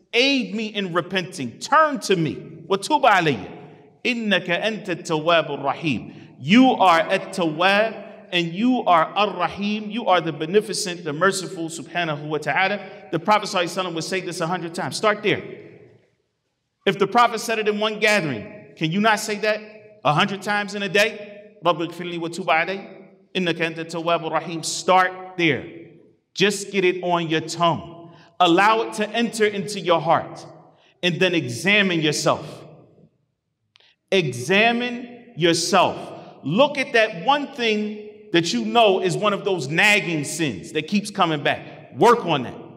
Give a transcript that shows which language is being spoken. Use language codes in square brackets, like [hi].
[en] Aid me in repenting. Turn to me. [ar] وَتُوبَ عَلَيَّ إِنَّكَ أَنْتَ التَّوَّابُ الرَّحِيمُ [en] You are At-Tawwab and you are Ar-Rahim. You are the beneficent, the merciful, subhanahu wa ta'ala. The Prophet sallallahu alayhi wa sallam would say this 100 times. Start there. If the Prophet said it in one gathering, can you not say that 100 times in a day? [ar] رَبِّ اغْفِرْ لِي وَتُوبَ عَلَيَّ إِنَّكَ أَنْتَ التَّوَّابُ الرَّحِيمُ [en] Start there. Just get it on your tongue. Allow it to enter into your heart. And then examine yourself. Examine yourself. Look at that one thing that you know is one of those nagging sins that keeps coming back. Work on that.